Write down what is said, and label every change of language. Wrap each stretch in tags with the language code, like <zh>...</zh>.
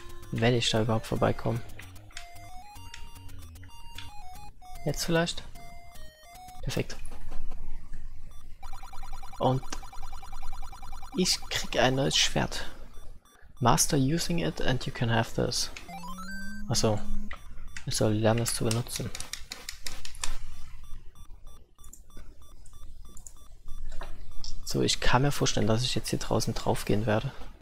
<de>Wenn ich da überhaupt vorbeikomme. Jetzt vielleicht? Perfekt. Und ich kriege ein neues Schwert.</de> <en>Master using it and you can have this.</en> <de>Achso, ich soll lernen, es zu benutzen. So, ich kann mir vorstellen, dass ich jetzt hier draußen drauf gehen werde.</de>